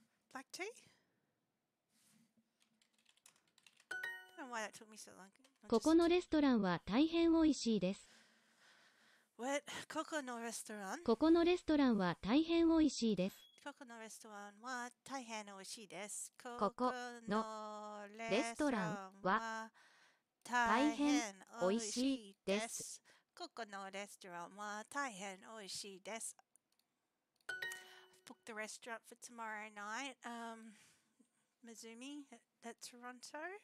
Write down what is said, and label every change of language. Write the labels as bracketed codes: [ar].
[en] Black tea? I don't know why that took me so long. [ja] ここのレストランは大変おいしいです。 What? ここのレストラン？ここのレストランは大変おいしいです。ここのレストランは大変おいしいです。ここのレストランは大変おいしいです。ここのレストランは大変おいしいです。 [en] Booked the restaurant for tomorrow night, Mizumi at Toronto.